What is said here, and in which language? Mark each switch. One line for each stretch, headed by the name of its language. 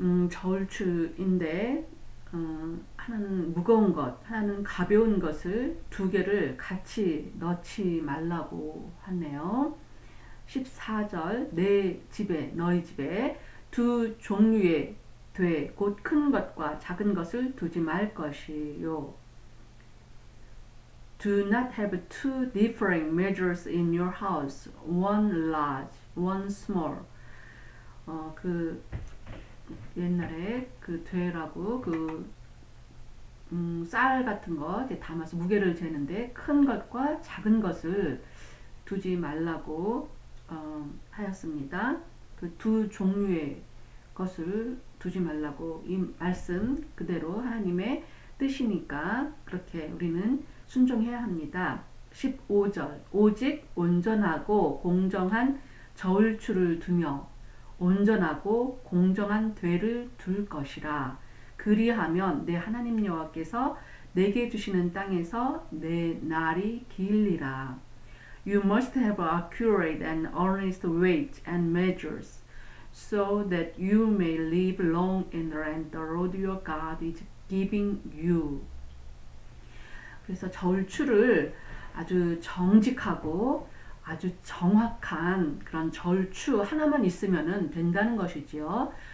Korean: 저울추인데 하나는 무거운 것, 하나는 가벼운 것을 두 개를 같이 넣지 말라고 하네요. 14절 내 집에 너희 집에 두 종류의 돼 곧 큰 것과 작은 것을 두지 말 것이요.
English: Do not have two differing measures in your house. One large, one small.
Korean: 그 옛날에 그 돼라고 그 쌀 같은 거 이제 담아서 무게를 재는데 큰 것과 작은 것을 두지 말라고 하였습니다. 그 두 종류의 것을 두지 말라고 이 말씀 그대로 하나님의 뜻이니까 그렇게 우리는 순종해야 합니다. 15절 오직 온전하고 공정한 저울추를 두며 온전하고 공정한 돼를 둘 것이라 그리하면 내 하나님 여호와께서 내게 주시는 땅에서 내 날이 길리라.
English: You must have accurate and honest weight and measures so that you may live long in the land the Lord your God is giving you.
Korean: 그래서 절추를 아주 정직하고 아주 정확한 그런 절추 하나만 있으면 된다는 것이지요.